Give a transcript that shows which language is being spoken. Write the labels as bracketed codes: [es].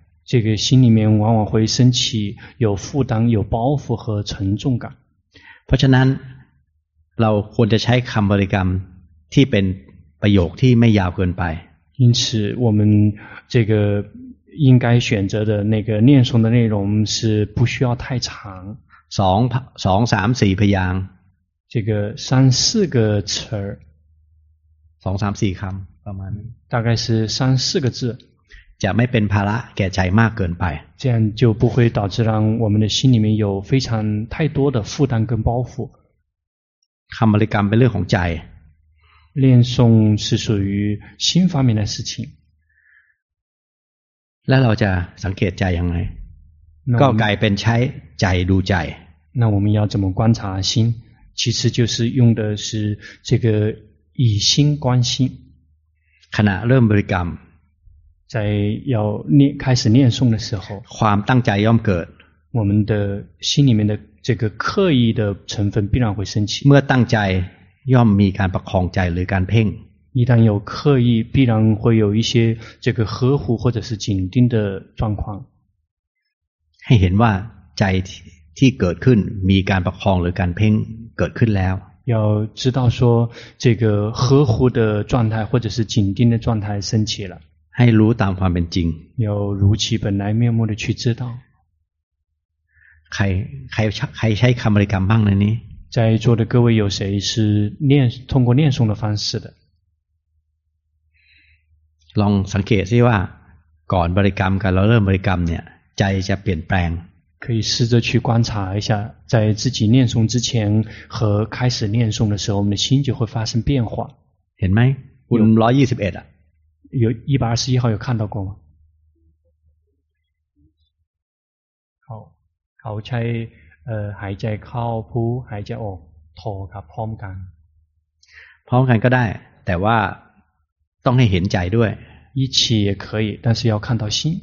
[zh] 这个心里面往往会升起有负担有包袱和沉重感 [th] เพราะฉะนั้นเราควรจะใช้คำบริกรรมที่เป็นประโยคที่ไม่ยาวเกินไป [zh] 因此我们这个应该选择的那个念诵的内容是不需要太长 [th] 2 3 4พยางค์ [zh] 这个3 4个词儿 [th] 2 3 4คำประมาณ [zh] 大概是3 4个字 [th] จะไม่เป็นภาระแก่ใจมากเกินไป [zh] 这样就不会导致让我们的心里面有非常太多的负担跟包袱 [th] คำบริกรรมเป็นเรื่องของใจ [zh] 念诵是属于心方面的事情 [th] แล้วเราจะสังเกตใจยังไงก็กลายเป็นใช้ใจดูใจ [zh] 那我们要怎么观察心其实就是用的是这个以心观心 [th] ขณะเริ่มบริกรรม [zh] 在要念开始念诵的时候 [th] ความตั้งใจย่อมเกิด [zh] 我们的心里面的这个刻意的成分必然会升起 [th] เมื่อตั้งใจย่อมมีการประคองใจหรือการเพ่ง [zh] 一旦有刻意，必然会有一些这个呵护或者是紧盯的状况。 [th] ให้เห็นว่าใจที่เกิดขึ้นมีการประคองหรือการเพ่งเกิดขึ้นแล้ว [zh] 要知道说这个呵护的状态或者是紧盯的状态升起了 [th] ให้รู้ตามความเป็นจริง [zh] 要如其本来面目的去知道 [th] ใครใช้คำบริกรรมบ้างในนี้ [zh] 在座的各位有谁是念通过念诵的方式的 [th] ลองสังเกตสิว่าก่อนบริกรรมกันเราเริ่มบริกรรมเนี่ยใจจะเปลี่ยนแปลง [zh] 可以试着去观察一下，在自己念诵之前和开始念诵的时候，我们的心就会发生变化。 [th] เห็นไหม？ 121 [zh] 有121号有看到过吗？好， [th] เขาใช้หายใจเข้าพุหายใจออกโทครับพร้อมกัน พร้อมกันก็ได้แต่ว่าต้องให้เห็นใจด้วย [zh] 一起也可以，但是要看到心。